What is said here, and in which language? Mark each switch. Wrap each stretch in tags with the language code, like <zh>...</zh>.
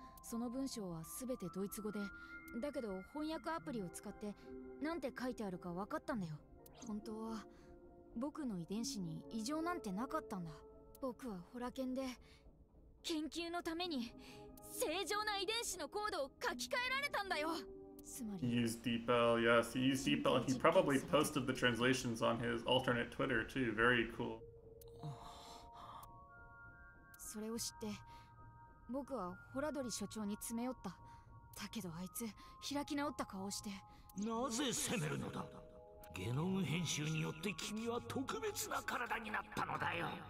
<ja>その文章はすべてドイツ語で、だけど翻訳アプリを使ってなんて書いてあるか分かったんだよ。本当は僕の遺伝子に異常なんてなかったんだ。僕はホラケンで研究のために正常な遺伝子のコードを書き換えられたんだよ。</ja> <en>He used DeepL, yes, he used DeepL. He probably posted the translations on his alternate Twitter too. Very cool.</en> <ja>それを知って、僕はホラドリ所長に詰め寄った。だけどあいつ、開き直った顔をして。なぜ責めるのだ？ゲノム編集によって君は特別な体になったのだよ。</ja>